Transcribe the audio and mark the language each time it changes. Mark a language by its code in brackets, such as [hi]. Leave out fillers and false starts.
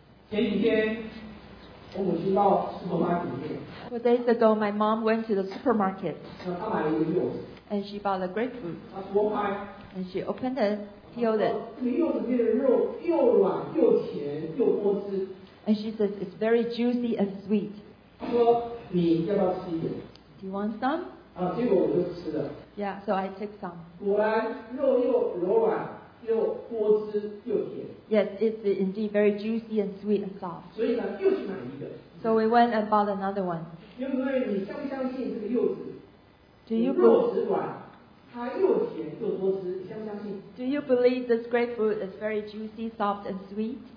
[zh] 前几天我母亲到 supermarket 里面。 [en] Four days ago, my mom went to the supermarket. [zh] 她买了一个柚子。 [en] And she bought a grapefruit. [zh] 她剥开。 [en] And she opened it, peeled it. [zh] 这个柚子里面的肉又软又甜又多汁。 [en] And she said it's very juicy and sweet. [zh] 她说你要不要吃一点？ [en] Do you want some? [zh] 啊，结果我就吃了。 [en] Yeah, so I took some. [zh] 果然肉又柔软又多汁又甜。 [en] Yes, it's indeed very juicy and sweet and soft. [zh] 所以呢，又去买一个。 [en] So we went and bought another one. [zh] 因为你相不相信这个柚子？肉质软，它又甜又多汁，你相不相信 [en] ？Do you believe this grapefruit is very juicy, soft and sweet?